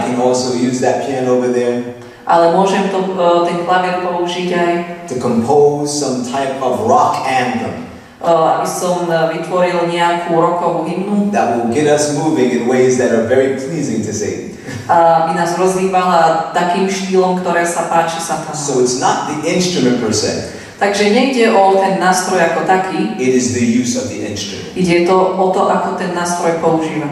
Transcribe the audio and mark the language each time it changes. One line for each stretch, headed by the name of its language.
English: I can also use that piano over there.
Slovak: Ale môžem to ten klavír použiť aj
English: to compose some type of rock anthem.
Slovak: Aby som vytvoril nejakú rockovú hymnu.
English: That will get us moving in ways that are very pleasing to Satan.
Slovak: Aby nás rozhýbala takým štýlom, ktoré sa páči Satanovi.
English: So it's not the instrument per se.
Slovak: Takže nejde o ten nástroj ako taký.
English: It is the use of the instrument.
Slovak: Ide to o to, ako ten nástroj používame.